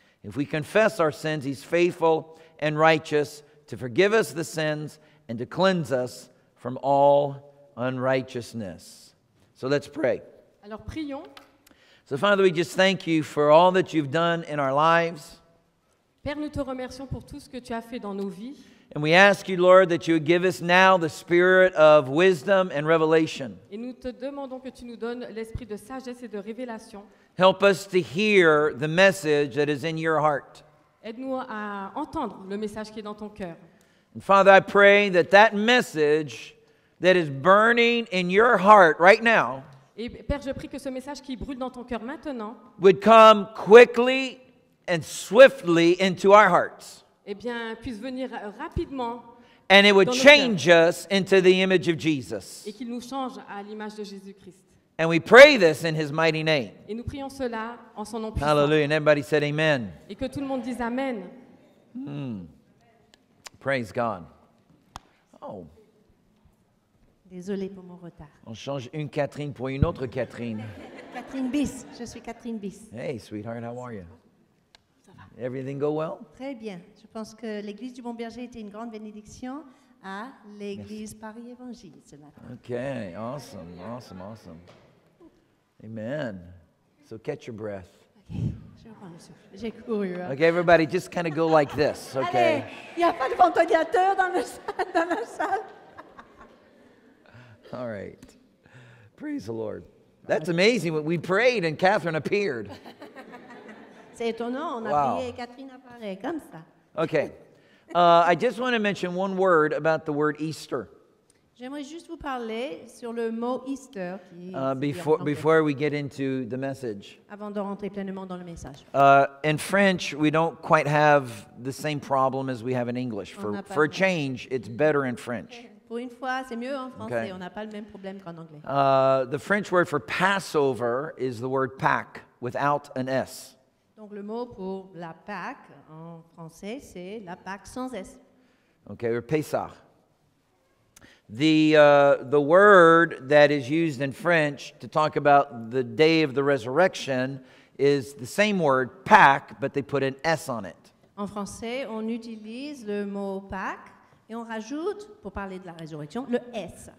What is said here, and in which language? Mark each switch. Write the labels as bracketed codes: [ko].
[en] If we confess our sins, He's faithful and righteous to forgive us the sins and to cleanse us from all unrighteousness. So let's pray. [fr] Alors, prions. [en] So Father, we just thank You for all that You've done in our lives. [fr] Père, nous te remercions pour tout ce que tu as fait dans nos vies. [en] And we ask You, Lord, that You would give us now the spirit of wisdom and revelation. [fr] Et nous te demandons que tu nous donnes l'esprit de sagesse et de révélation. [en] Help us to hear the message that is in Your heart. [fr] Aide-nous à entendre le message qui est dans ton cœur. [en] And Father, I pray that that message that is burning in Your heart right now. [fr] Et Père, je prie que ce message qui brûle dans ton cœur maintenant [en] would come quickly and swiftly into our hearts. [fr] Eh bien, puisse venir rapidement. [en] And it would change us into the image of Jesus. [fr] Et qu'il nous change à l'image de Jésus-Christ. [en] And we pray this in His mighty name. [fr] Et nous prions cela en son nom puissant. [en] Hallelujah. And everybody said amen. [fr] Et que tout le monde dise amen. [en] Mm. Praise God. Oh. [fr] Désolé pour mon retard. On change une Catherine pour une autre Catherine. Catherine Bis. Je suis Catherine Bis. [en] Hey, sweetheart, how are you? Everything go well? [fr] Très bien. Je pense que l'église du Bon Berger était une grande bénédiction à l'église Paris Évangile ce matin. [en] Okay, awesome, awesome, awesome. Amen. So catch your breath. [fr] Okay. J'ai couru. Hein? [en] Okay, everybody, just kind of go like this, okay? [fr] Allez, il n'y a pas de ventilateur dans la salle. [en] All right. Praise the Lord. That's amazing. We prayed and Catherine appeared. [fr] C'est étonnant, on a prié et Catherine apparaît comme ça. [en] Okay. I just want to mention one word about the word Easter. [fr] J'aimerais juste vous parler sur le mot Easter. [en] Before we get into the message. [fr] Avant de rentrer pleinement dans le message. [en] In French, we don't quite have the same problem as we have in English. For a change, it's better in French. [fr] Pour une fois, c'est mieux en français. Okay. On n'a pas le même problème qu'en anglais. [en] The French word for Passover is the word Pâques, without an S. [fr] Donc le mot pour la Pâque en français c'est la Pâque sans S. [en] Okay, or Pessah. The word that is used in French to talk about the day of the resurrection is the same word Pâque, but they put an S on it. [fr] En français, on utilise le mot Pâque et on rajoute pour parler de la résurrection le S.